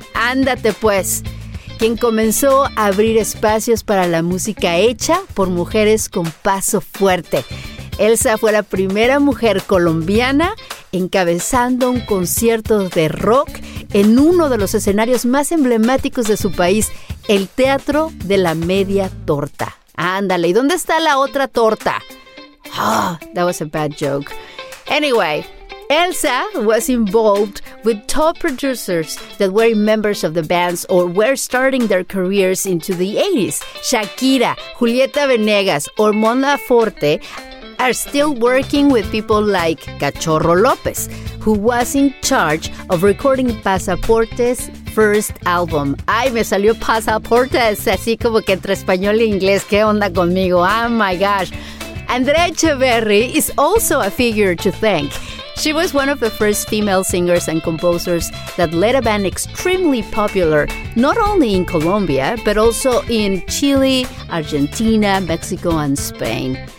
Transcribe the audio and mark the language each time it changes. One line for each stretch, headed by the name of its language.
Spanish: Ándate pues, quien comenzó a abrir espacios para la música hecha por mujeres con paso fuerte. Elsa fue la primera mujer colombiana encabezando un concierto de rock en uno de los escenarios más emblemáticos de su país, el Teatro de la Media Torta. Ándale, ¿y dónde está la otra torta?
English: Oh, that was a bad joke. Anyway, Elsa was involved with top producers that were members of the bands or were starting their careers into the 80s. Shakira, Julieta Venegas, or Mon Laferte are still working with people like Cachorro López, who was in charge of recording Pasaporte's first album.
Spanish: Ay, me salió Pasaporte, así como que entre español e inglés, ¿qué onda conmigo?
English: Oh my gosh. Andrea Echeverri is also a figure to thank. She was one of the first female singers and composers that led a band extremely popular, not only in Colombia, but also in Chile, Argentina, Mexico, and Spain.